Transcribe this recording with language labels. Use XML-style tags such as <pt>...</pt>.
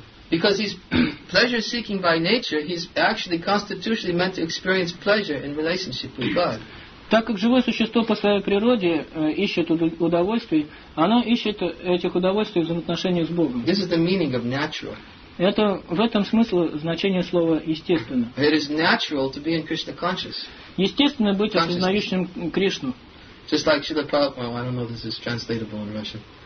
<en>Because he's pleasure seeking by nature, he's actually constitutionally meant to experience pleasure in relationship with God.</en> <ru>Так как живое существо по своей природе ищет удовольствий, оно ищет этих удовольствий в взаимоотношениях с Богом.</ru> <en>This is the meaning of natural.</en> <ru>Это в этом смысле значение слова естественно.</ru> <en>It is natural to be in Krishna conscious.</en> <ru>Естественно быть осознающим Кришну.</ru> <en>Just like Srila Prabhupada, I don't know if this is translatable in Russian.</en>